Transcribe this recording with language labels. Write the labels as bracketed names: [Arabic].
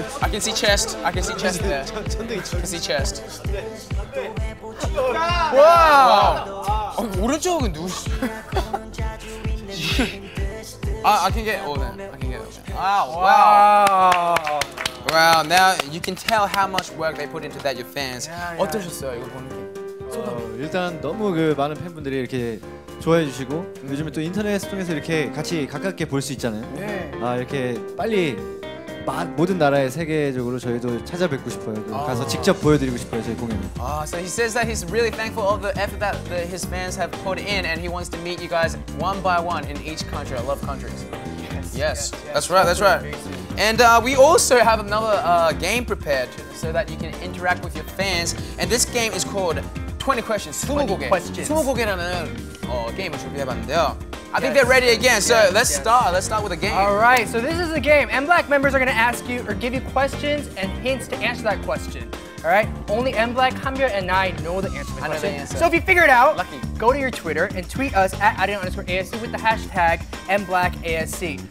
[English] I can see chest. I can see chest there. I can see chest. Wow. [Korean] 오른쪽은 누구? [English] I can get all that. Wow. Now you can tell how much work they put into that. Your fans. Yeah. [Korean] 어떠셨어요 이거 보는 게? 일단 너무 그 많은 팬분들이 이렇게 좋아해 주시고 요즘에 또 인터넷 통해서 이렇게 같이 가깝게 볼 수 있잖아요. 네. 아 이렇게 빨리 막 모든 나라의 세계적으로 저희도 찾아뵙고 싶어요. 가서 직접 보여드리고 싶어요 저희 공연을. [English] So he says that he's really thankful of the effort that his fans have put in, and he wants to meet you guys one by one in each country. I love countries. Yes. That's right. That's right. And we also have another game prepared so that you can interact with your fans. And this game is called 20 Questions. [Korean] 20 고개라는 게임을 준비해봤는데요. [English] I think they're ready again, so let's start. Let's start with the game. All right, so this is the game. MBLAQ members are going to ask you or give you questions and hints to answer that question. All right, only MBLAQ, Hanbyul, and I know the answer to the question. So if you figure it out, go to your Twitter and tweet us at @ARIRANG_ASC with the hashtag MBLAQASC.